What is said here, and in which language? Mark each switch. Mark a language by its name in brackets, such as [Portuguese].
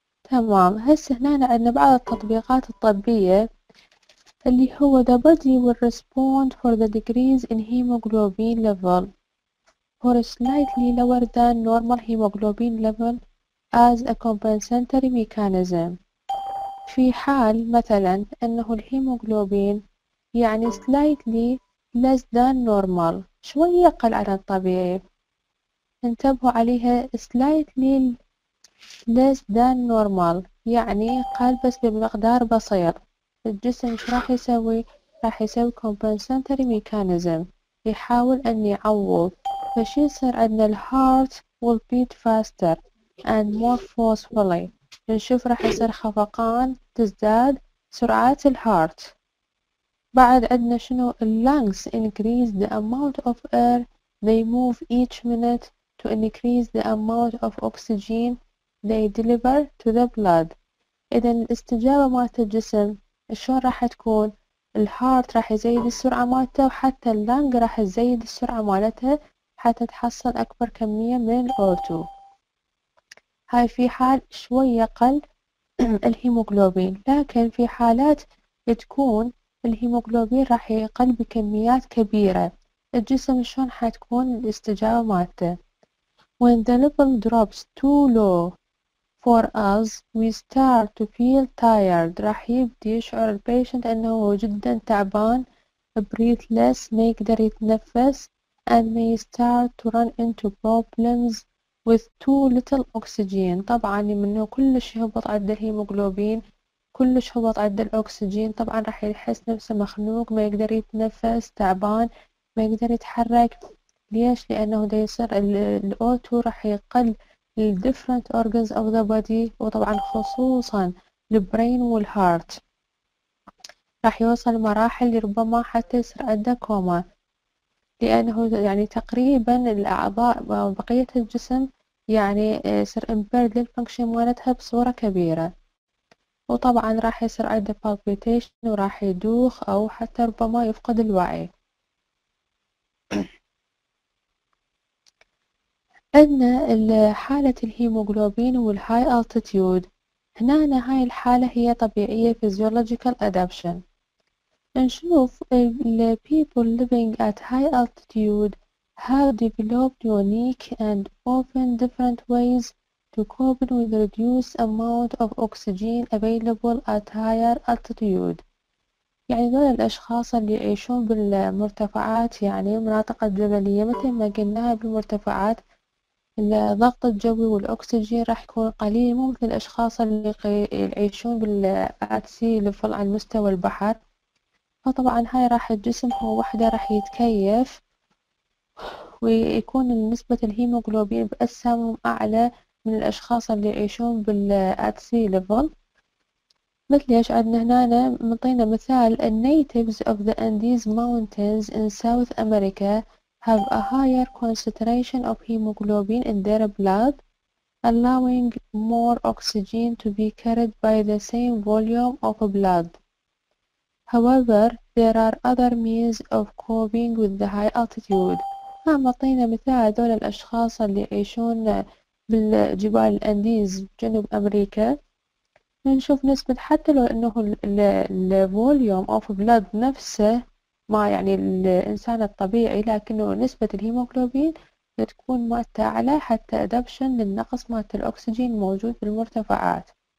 [Arabic] تمام، هسه هنا عندنا بعض التطبيقات الطبية اللي هو [English] the body will respond for the decrease in hemoglobin level for a slightly lower than normal hemoglobin level as a compensatory mechanism. [Arabic] في حال مثلا انه الهيموغلوبين يعني [English] slightly less than normal، [Arabic] شوية اقل عن الطبيعي، انتبهوا عليها slightly less than normal يعني قل بس بمقدار بسيط، الجسم ايش راح يسوي؟ راح يسوي [English] compensatory mechanism، [Arabic] يحاول ان يعوض. فشي يصير عندنا؟ الهارت [English] will beat faster and more forcefully. [Arabic] نشوف راح يصير خفقان، تزداد سرعة الهارت. بعد عندنا شنو؟ [English] lungs increase the amount of air they move each minute to increase the amount of oxygen they deliver to the blood. [Arabic] اذا الاستجابة مالت الجسم شلون راح تكون؟ الهارت راح يزيد السرعة مالته، وحتى اللانج راح تزيد السرعة مالتها حتى تحصل أكبر كمية من الأوتو. هاي في حال شوي أقل الهيموغلوبين، لكن في حالات تكون الهيموغلوبين راح يقل بكميات كبيرة، الجسم شلون حتكون الاستجابة مالته؟ [English] When the level drops too low for us, we start to feel tired. [Arabic] راح يبدي يشعر البيشنت أنه جدا تعبان. [English] Breathe less, [Arabic] ما يقدر يتنفس. [English] And may start to run into problems with too little oxygen. [Arabic] طبعا منه كلش يهبط عند الهيموغلوبين، كلش هبط عند الأكسجين، طبعا راح يحس نفسه مخنوق، ما يقدر يتنفس، تعبان، ما يقدر يتحرك. ليش؟ لأنه ده يصير الأوتو راح يقل الـ [English] different organs of the body، [Arabic] وطبعا خصوصا الـ brain والـ heart. راح يوصل مراحل ربما حتى يصير عنده كوما، لأنه يعني تقريبا الأعضاء وبقية الجسم يعني يصير impaired للـ function مالتها بصورة كبيرة. وطبعا راح يصير عنده palpitation وراح يدوخ أو حتى ربما يفقد الوعي. عندنا حالة الهيموغلوبين والهاي altitude، هنا هاي الحالة هي طبيعية [English] physiological adaptation. [Arabic] نشوف [English] the people living at high altitude have developed unique and often different ways to cope with reduced amount of oxygen available at higher altitude. [Arabic] يعني دول الأشخاص اللي يعيشون بالمرتفعات، يعني المناطق الجبلية مثل ما قلناها بالمرتفعات، الضغط الجوي والأكسجين راح يكون قليل. ممكن الأشخاص اللي يعيشون بالآت سي لفل على مستوى البحر، فطبعا هاي راح الجسم هو وحده راح يتكيف، ويكون نسبة الهيموغلوبين بأجسامهم أعلى من الأشخاص اللي يعيشون بالآت سي ليفل. مثل ايش عندنا هنا، معطينا مثال: ال [English] natives of the Andes mountains in South America have a higher concentration of hemoglobin in their blood, allowing more oxygen to be carried by the same volume of blood. However, there are other means of coping with the high altitude. [Arabic] ها معطينا مثال هذول الأشخاص اللي يعيشون بالجبال الأنديز جنوب أمريكا، نشوف نسبة حتى لو أنه الـ [English] volume of blood [Arabic] نفسه مع يعني الإنسان الطبيعي، لكنه نسبة الهيموغلوبين تكون مالته أعلى حتى adaptation للنقص مالت الأكسجين الموجود بالمرتفعات.